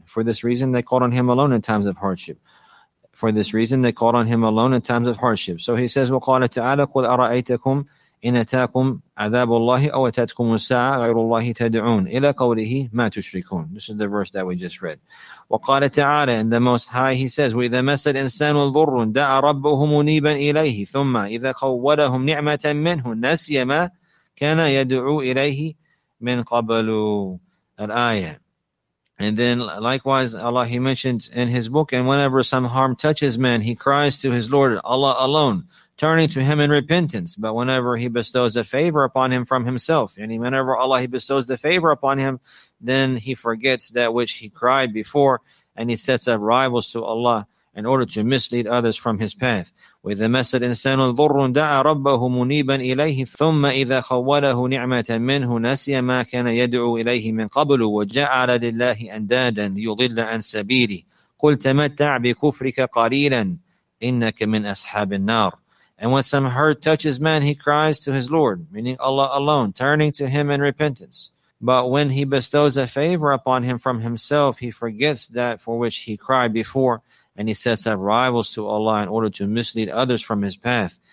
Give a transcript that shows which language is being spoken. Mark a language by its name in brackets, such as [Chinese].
[English] For this reason, they called on Him alone in times of hardship. For this reason, they called on Him alone in times of hardship. So He says, [Arabic] وَقَالَ تَعَالَى قُلْ أَرَأَيْتَكُمْ إِنَ أَتَاكُمْ عَذَابُ اللَّهِ أَوْ أَتَتْكُمُ السَّاعَةَ غَيْرُ اللَّهِ تَدْعُونَ إِلَى قَوْلِهِ مَا تُشْرِكُونَ. [English] This is the verse that we just read. [Arabic] وَقَالَ تَعَالَى, [English] in the Most High, He says, [Arabic] وَإِذَا مَسَّ الْإِنسَانُ الضُّرُّ دَعَا رَبُّهُ مُنِيبًا إِلَيْهِ ثُمَّ إِذَا خَوَّلَهُ نِعْمَةً مِنْهُ نَسِيَ مَا كَانَ يَدْعُو إِلَيْهِ مِنْ قَبْلُ. الآيه. [English] And then likewise, Allah, He mentions in His book, and whenever some harm touches man, he cries to his Lord, Allah alone, turning to Him in repentance. But whenever He bestows a favor upon him from Himself, and whenever Allah, He bestows the favor upon him, then he forgets that which he cried before, and he sets up rivals to Allah in order to mislead others from his path. With the message, [Arabic] إِنسَانُ الضُّرُّ دَعَ رَبَّهُ مُنِيبًا إِلَيْهِ ثُمَّ إِذَا خَوَّلَهُ نِعْمَةً مِّنْهُ نَسِيَ مَا كَانَ يَدْعُو إِلَيْهِ مِنْ قَبْلُ وَجَعَلَ لِلَّهِ أَنْدَادًا يُضِلَّ عَنْ سَبِيلِهِ قُلْ تَمَتَّعْ بِكُفْرِكَ قَلِيلًا إِنَّكَ مِنْ أَصْحَابِ النَّارِ. [English] And when some hurt touches man, he cries to his Lord, meaning Allah alone, turning to Him in repentance. But when He bestows a favor upon him from Himself, he forgets that for which he cried before. And he sets up rivals to Allah in order to mislead others from his path.